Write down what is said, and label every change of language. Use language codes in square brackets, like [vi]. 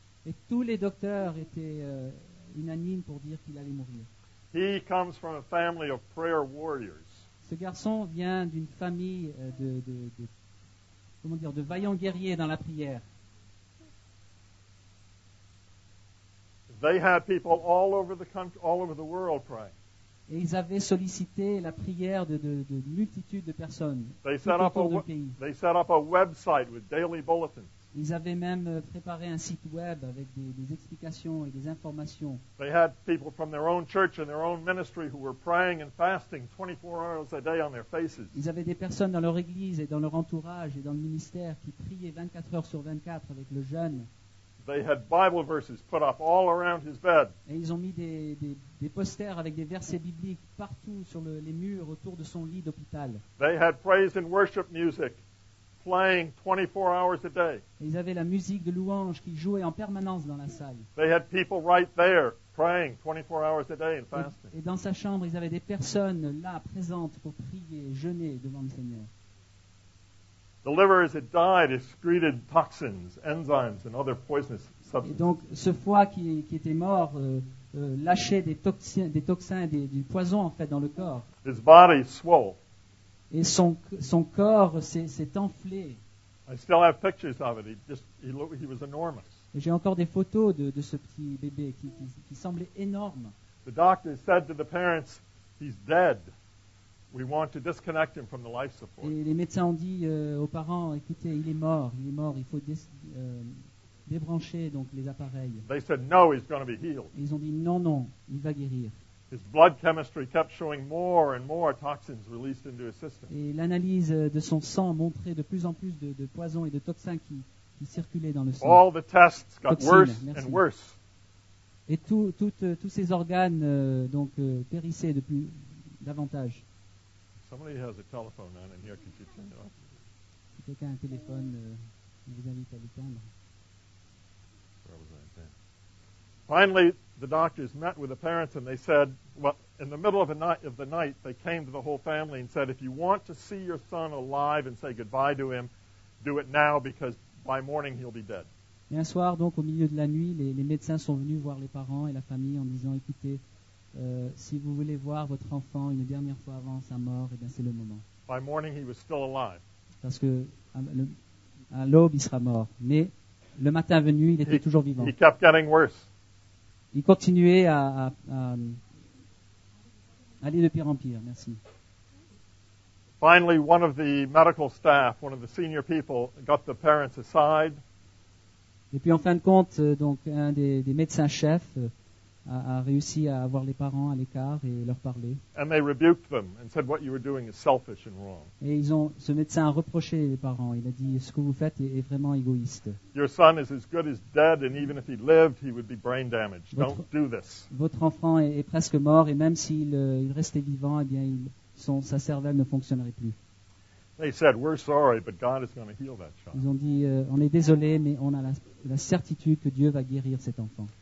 [fr] Et tous les docteurs étaient unanimes pour dire qu'il allait mourir. [en] He comes from a family of prayer warriors. [fr] Ce garçon vient d'une famille de vaillants guerriers dans la prière. [en] They had people all over the country, all over the world praying. [fr] Et ils avaient sollicité la prière de multitudes de personnes [en] They set up a website with daily bulletins. [fr] Ils avaient même préparé un site web avec des explications et des informations. [en] They had people from their own church and their own ministry who were praying and fasting 24 hours a day on their faces. [fr] Ils avaient des personnes dans leur église et dans leur entourage et dans le ministère qui priaient 24 heures sur 24 avec le jeûne. [en] They had Bible verses put up all around his bed. [fr] Et ils ont mis des posters avec des versets bibliques partout sur les murs autour de son lit d'hôpital. [en] They had praise and worship music playing 24 hours a day. [fr] Ils avaient la musique de louange qui jouait en permanence dans la salle. [en] They had people right there praying 24 hours a day and fasting. [fr] Et dans sa chambre, ils avaient des personnes là présentes pour prier, jeûner devant le Seigneur. [en] The liver as it died excreted toxins, enzymes and other poisonous substances. [fr] Et donc ce foie qui était mort lâchait des toxins du poison en fait dans le corps. [en] His body swole. [fr] Et son corps s'est enflé. [en] I still have pictures of it. He was enormous. [fr] Et j'ai encore des photos de ce petit bébé qui semblait énorme. [en] The doctor said to the parents, he's dead. We want to disconnect him from the life support. [fr] Et les médecins ont dit aux parents, écoutez, il est mort, il faut débrancher donc les appareils. [en] They said, no, he's going to be healed. [fr] Et ils ont dit, non, il va guérir. [en] His blood chemistry kept showing more and more toxins released into his system. [fr] Et l'analyse de son sang montrait de plus en plus de poisons et de toxins qui circulaient dans le sang. [en] All the tests got worse and worse. [fr] Et tous ses organes donc périssaient davantage. [en] Somebody has a telephone on in here. Can you turn it off? [fr] Si quelqu'un a un téléphone, je vous invite à l'éteindre. [en] Where was I then? Finally, the doctors met with the parents and they said, well, in the middle of the night, they came to the whole family and said, if you want to see your son alive and say goodbye to him, do it now because by morning he'll be dead. [fr] Et un soir, donc, au milieu de la nuit, les médecins sont venus voir les parents et la famille en disant, écoutez, si vous voulez voir votre enfant une dernière fois avant sa mort, eh bien, c'est le moment. [en] By morning, he was still alive. [fr] Parce que à l'aube, il sera mort. Mais le matin venu, il était toujours vivant. [en] He kept getting worse. [fr] Il continuait à aller de pire en pire. Merci. [en] Finally, one of the medical staff, one of the senior people, got the parents aside. [fr] Et puis, en fin de compte, donc un des médecins chefs a réussi à avoir les parents à l'écart et leur parler. [en] And they rebuked them and said what you were doing is selfish and wrong. [fr] Et ils ont, ce médecin a reproché les parents. Il a dit ce que vous faites est vraiment égoïste. [en] Your son is as good as dead, and even if he lived, he would be brain damaged. Don't do this. [fr] Votre enfant est presque mort, et même s'il restait vivant, eh bien, sa cervelle ne fonctionnerait plus. [en] They said, "We're sorry, but God is going to heal that child." [fr] Ils ont dit, on est désolé, mais on a la certitude que Dieu va guérir cet enfant.